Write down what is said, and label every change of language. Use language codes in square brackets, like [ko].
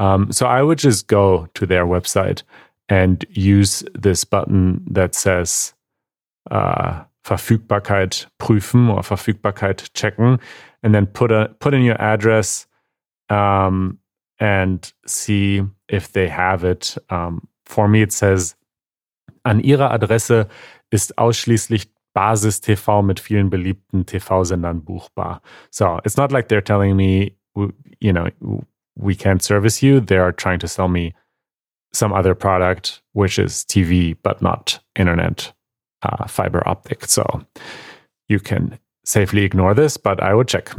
[en] So I would just go to their website and use this button that says [de] Verfügbarkeit prüfen [en] or [de] Verfügbarkeit checken, [en] and then put in your address and see if they have it. For me, it says, [de] an Ihrer Adresse ist ausschließlich Basis TV mit vielen beliebten TV-Sendern buchbar. [en] So it's not like they're telling me, you know, we can't service you. They are trying to sell me some other product, which is TV, but not internet fiber optic. So you can safely ignore this, but I would check.